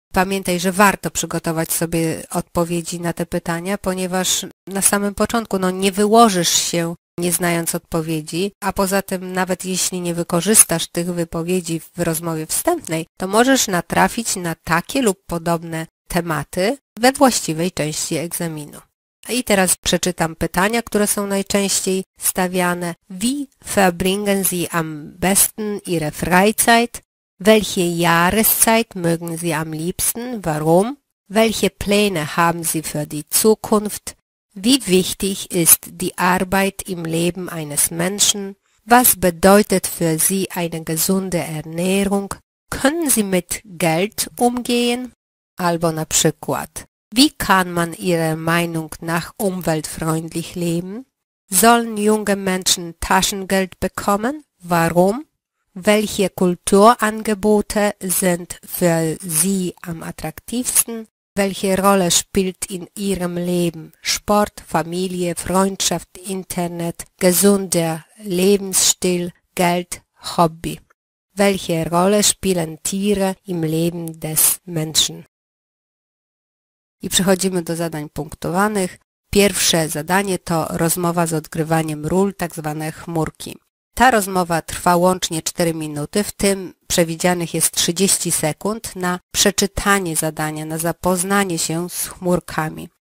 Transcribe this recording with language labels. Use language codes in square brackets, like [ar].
[pl] Pamiętaj, że warto przygotować sobie odpowiedzi na te pytania, ponieważ na samym początku nie wyłożysz się, nie znając odpowiedzi, a poza tym nawet jeśli nie wykorzystasz tych wypowiedzi w rozmowie wstępnej, to możesz natrafić na takie lub podobne tematy we właściwej części egzaminu. I teraz przeczytam pytania, które są najczęściej stawiane. [de] Wie verbringen Sie am besten Ihre Freizeit? Welche Jahreszeit mögen Sie am liebsten? Warum? Welche Pläne haben Sie für die Zukunft? Wie wichtig ist die Arbeit im Leben eines Menschen? Was bedeutet für Sie eine gesunde Ernährung? Können Sie mit Geld umgehen? [pl] Albo na przykład, [de] wie kann man ihre Meinung nach umweltfreundlich leben? Sollen junge Menschen Taschengeld bekommen? Warum? Welche Kulturangebote sind für sie am attraktivsten? Welche Rolle spielt in ihrem Leben Sport, Familie, Freundschaft, Internet, gesunder Lebensstil, Geld, Hobby? Welche Rolle spielen Tiere im Leben des Menschen? [pl] I przechodzimy do zadań punktowanych. Pierwsze zadanie to rozmowa z odgrywaniem ról, tak zwane chmurki. Ta rozmowa trwa łącznie 4 minuty, w tym przewidzianych jest 30 sekund na przeczytanie zadania, na zapoznanie się z chmurkami.